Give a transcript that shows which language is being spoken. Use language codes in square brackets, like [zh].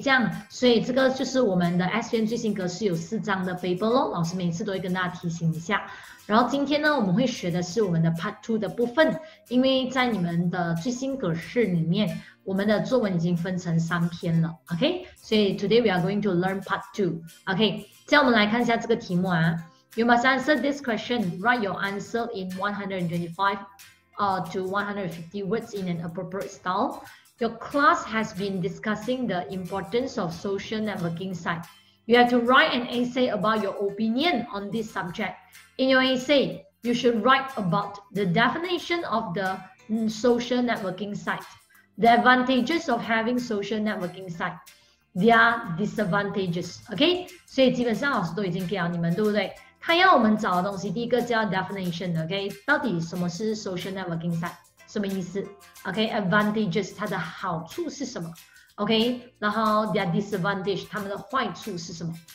[zh] 这样，所以这个就是我们的 SVM 最新格式有4张的 paper 咯，老师每次都会跟大家提醒一下。然后今天呢，我们会学的是我们的 Part 2的部分，因为在你们的最新格式里面，我们的作文已经分成3篇了 ，OK？ [en] 所以 Today we are going to learn Part 2 OK？ [zh] 这样我们来看一下这个题目啊。 [en] You must answer this question. Write your answer in 125 to 150 words in an appropriate style. Your class has been discussing the importance of social networking site. You have to write an essay about your opinion on this subject. In your essay, you should write about the definition of the social networking site. The advantages of having social networking site, their disadvantages. [zh] OK, 所以基本上老师都已经给了你们，对不对？他要我们找的东西，第一个叫 definition. OK, 到底什么是 social networking site? 什么意思？ OK, advantages 它的好处是什么？OK, 然后 their disadvantage 他们的坏处是什么？